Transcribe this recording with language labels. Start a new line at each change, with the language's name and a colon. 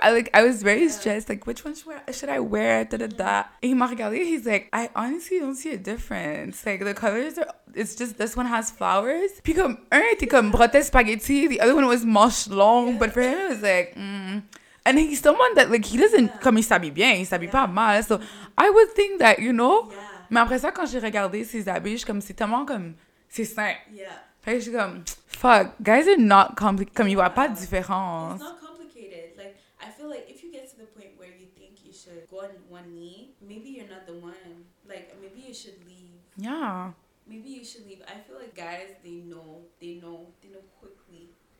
English: I was very stressed. Like, which one should I wear? And he
French: m'a regardé.
English: He's like, I honestly don't see a difference. Like, the colors are... It's just this one has flowers.
French: Puis comme, un était comme broté spaghetti.
English: The other one was
French: manche long.
English: But for him, it was like, And he's someone that, like, he doesn't...
French: Comme, il s'habille bien. Il s'habille pas mal.
English: So, I would think that, you know... Yeah.
French: Mais après ça, quand j'ai regardé ses habits, je suis comme, c'est tellement comme, c'est simple.
English: Yeah.
French: Fait que je suis comme, fuck,
English: guys are not complicated.
French: Comme, il voit pas de différence.
English: It's not complicated. Like, I feel like if you get to the point where go on one knee, maybe you're not the one. Like, maybe you should leave. Yeah. Maybe you should leave. I feel like guys, they know quickly.